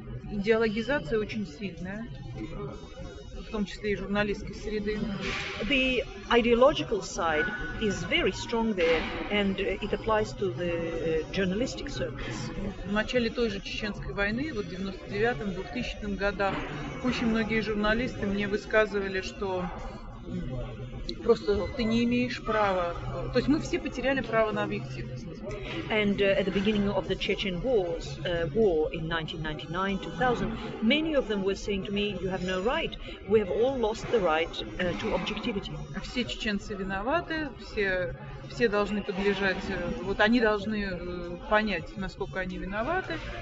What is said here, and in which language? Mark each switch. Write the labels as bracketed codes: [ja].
[ru] Идеологизация очень сильная, в том числе и журналистской среды. [en] The ideological side is very strong there, and it applies to the journalistic circles. [ru] В начале той же Чеченской войны, вот в 99-м, 2000-м годах, очень многие журналисты мне высказывали, что Просто ты не имеешь права. То есть мы все потеряли право на объективность. [en] And at the beginning of the Chechen wars, war in 1999-2000, many of them were saying to me, you have no right. We have all lost the right to objectivity. [ru] Все чеченцы виноваты, все должны подлежать, вот они должны понять, насколько они виноваты.